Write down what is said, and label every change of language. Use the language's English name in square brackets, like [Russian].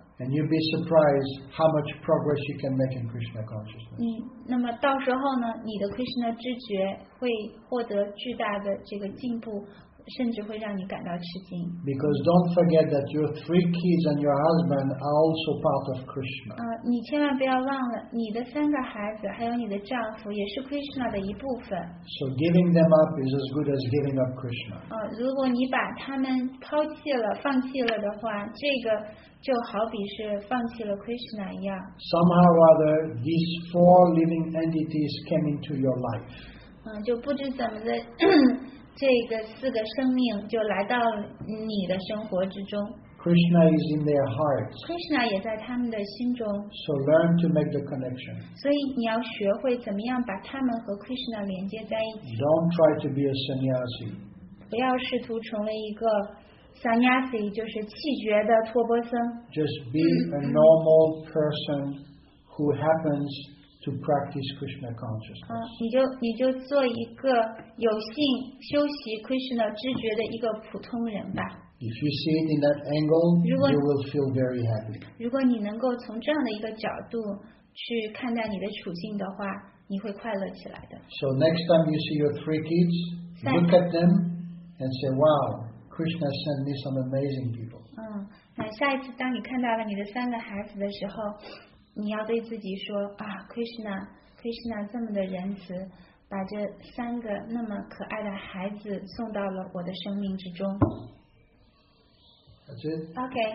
[English] And you'd be surprised how much progress you can make in Krishna consciousness. [Chinese] 那么到时候呢，你的 Krishna 知觉会获得巨大的这个进步，甚至会让你感到吃惊。 [English] Because don't forget that your three kids and your husband are also part of Krishna. [Chinese] 你千万不要忘了，你的三个孩子还有你的丈夫也是 Krishna 的一部分。 [English] So giving them up is as good as giving up Krishna. [Chinese] 如果你把他们抛弃了、放弃了的话，这个就好比是放弃了 Krishna 一样。 [English] Somehow or other, these four living entities came into your life. [Chinese] 就不知怎么的。这个四个生命就来到你的生活之中。 [English] Krishna is in their hearts. [Chinese] Krishna 也在他们的心中。 [English] So learn to make the connection. [Chinese] 所以你要学会怎么样把他们和 Krishna 连接在一起。 [English] Don't try to be a sannyasi. [Chinese] 不要试图成为一个 sannyasi， 就是弃绝的托钵僧。 [English] Just be a normal person who happens. To practice Krishna consciousness. [Chinese] 你就做一个有幸修习 Krishna 知觉的一个普通人吧。 [English] If you see it in that angle, you will feel very happy. [Chinese] 如果你能够从这样的一个角度去看待你的处境的话，你会快乐起来的。 [English] So next time you see your three kids, look at them and say, "Wow, Krishna sent me some amazing people." [Chinese] 那下一次当你看到了你的三个孩子的时候。你要对自己说啊 ，Krishna 这么的仁慈，把这三个那么可爱的孩子送到了我的生命之中。 [English] That's it.